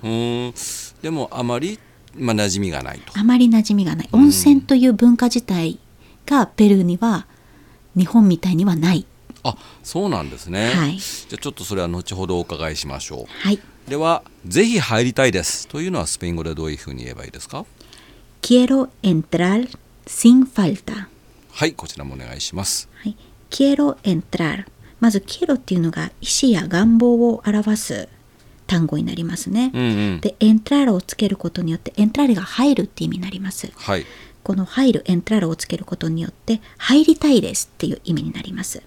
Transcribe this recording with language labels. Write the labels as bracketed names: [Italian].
[Japanese] うん、でもあまり、まあ、馴染みがないと。あまり馴染みがない。温泉という文化自体がペルーには日本みたいにはない。あ、そうなんですね。はい、じゃあちょっとそれは後ほどお伺いしましょう。はい、ではぜひ入りたいですというのはスペイン語でどういうふうに言えばいいですか。 [Spanish] Quiero entrar sin falta。 [Japanese] はい、こちらもお願いします。はい、 [Spanish] Quiero entrar、 [Japanese] まず Quiero っていうのが意思や願望を表す単語になりますね。うんうん、で Entrar をつけることによって Entrar が入るっていう意味になります。はい、この入る Entrar をつけることによって入りたいですっていう意味になります。